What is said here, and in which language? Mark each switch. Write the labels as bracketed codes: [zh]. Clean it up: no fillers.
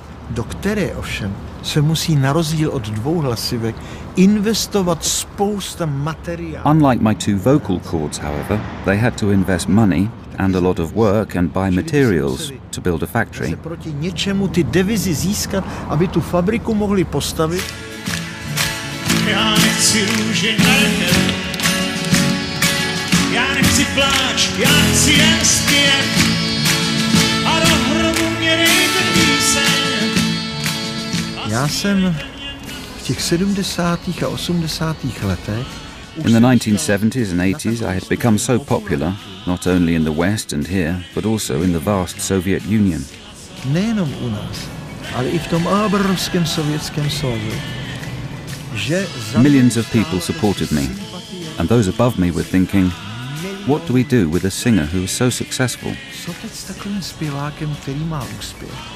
[cs] Do které ovšem se musí na rozdíl od dvou hlasivek investovat spousta materiálu. [en] Unlike my two vocal cords, however, they had to invest money and a lot of work and buy materials to build a factory. [cs] Proti něčemu ty devizi získat, aby tu fabriku mohli postavit. Já nechci růži na lete. Já nechci pláč, já chci jen zpět. A do hrobu mě dejte píseň. Já jsem v těch 70. a 80. letech. [en] In the 1970s and 80s, I had become so popular, not only in the West and here, but also in the vast Soviet Union. [cs] Nejenom u nás, ale i v tom obrovském sovětském svazu. [en] Millions of people supported me, and those above me were thinking, what do we do with a singer who is so successful? [cs] Co teď s takovým zpěvákem, který má úspěch?